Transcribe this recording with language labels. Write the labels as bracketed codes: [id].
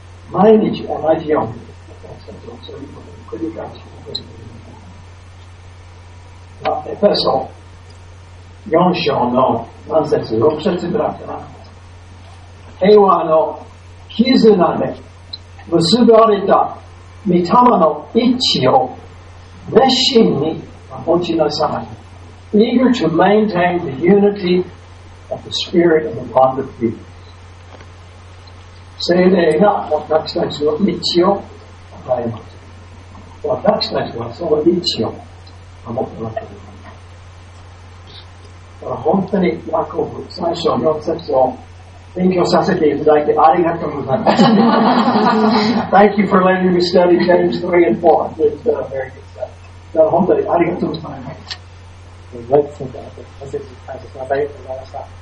[ja] 毎日同じように、そういうことを繰り返し、エペソ4章の何節、6節ぐらいかな。平和の絆で、結ばれた御霊の一致を熱心に持ちなさい。 [en] Eager to maintain the unity of the spirit and the bond of peace. [ja] 聖霊が私たちの一致を与えます。私たちはその一致を守ってもらっています。本当にヤコブ最初の4節を勉強させていただいてありがとうございます。 [en] Thank you for letting me study James 3 and 4. It's been a very good study. [ja] 本当にありがとうございます。 [en] Let's think about it. [ja] 私たちの話をしました。